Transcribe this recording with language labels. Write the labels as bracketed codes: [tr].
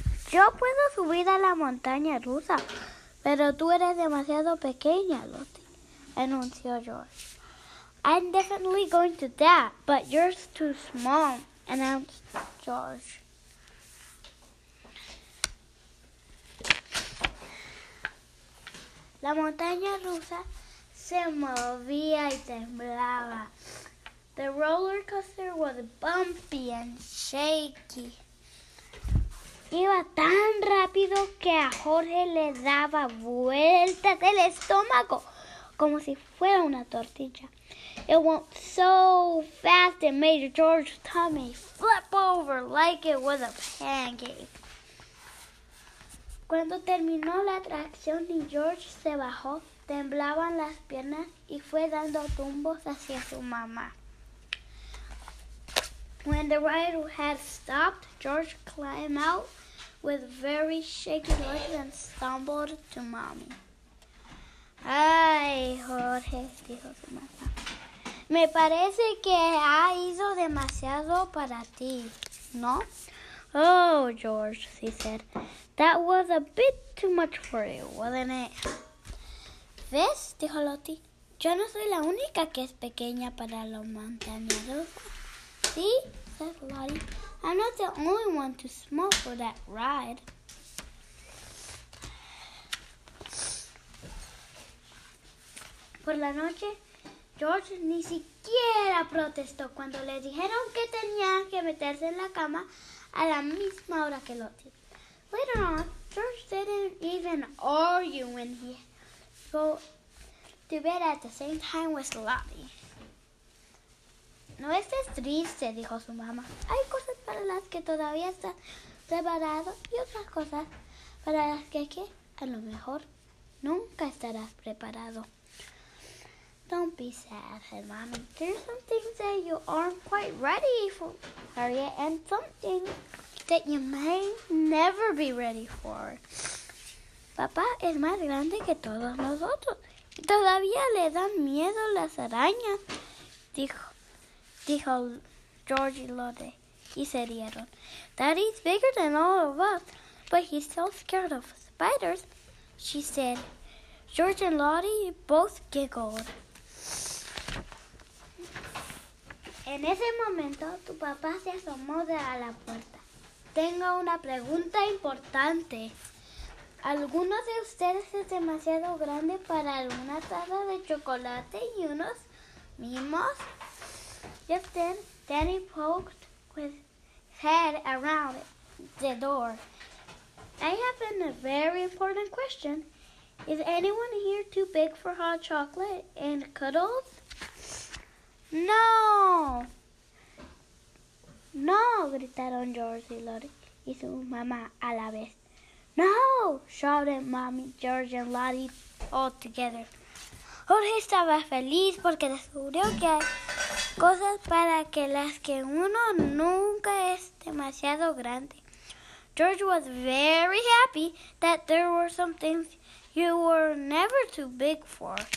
[es] Yo puedo subir a la montaña rusa. Pero tú eres demasiado pequeña, Lottie, anunció George. [en] I'm definitely going to that, but you're too small, announced George. [es] La montaña rusa se movía y temblaba. [en] The roller coaster was bumpy and shaky. [es] Iba tan rápido que a Jorge le daba vueltas el estómago, como si fuera una tortilla. [en] It went so fast it made George's tummy flip over like it was a pancake. [es] Cuando terminó la atracción y George se bajó, temblaban las piernas y fue dando tumbos hacia su mamá. [en] When the ride had stopped, George climbed out with very shaky legs and stumbled to mommy. [es] Ay, Jorge, dijo su mamá. Me parece que ha ido demasiado para ti, ¿no? [en] Oh, George, she said. That was a bit too much for you, wasn't it? [es] ¿Ves? Dijo Lottie. Yo no soy la única que es pequeña para los montañeros. [en] ¿Sí? Said Lottie. I'm not the only one too small for that ride. [es] Por la noche, George ni siquiera protestó cuando le dijeron que tenía que meterse en la cama a la misma hora que Lottie. [en] Later on, George didn't even argue when he go to bed at the same time with Lottie. [es] No estés triste, dijo su mamá. Hay cosas para las que todavía estás preparado y otras cosas para las que a lo mejor nunca estarás preparado. [en] Don't be sad, said mommy. There's some things that you aren't quite ready for yet and some things that you may never be ready for. [es] Papá es más grande que todos nosotros. Todavía le dan miedo las arañas, dijo George y Lotte, y se rieron. [en] Daddy's bigger than all of us, but he's still scared of spiders, she said. George and Lottie both giggled. [es] En ese momento, tu papá se asomó de la puerta. Tengo una pregunta importante. ¿Alguno de ustedes es demasiado grande para una taza de chocolate y unos mimos? [en] Just then, Danny poked his head around the door. I have a very important question. Is anyone here too big for hot chocolate and cuddles? [es] ¡No! ¡No!, gritaron George y Lottie y su mamá a la vez. [en] ¡No!, shouted Mommy, George and Lottie all together. [es] Jorge estaba feliz porque descubrió que hay cosas para que las que uno nunca es demasiado grande. [en] George was very happy that there were some things you were never too big for.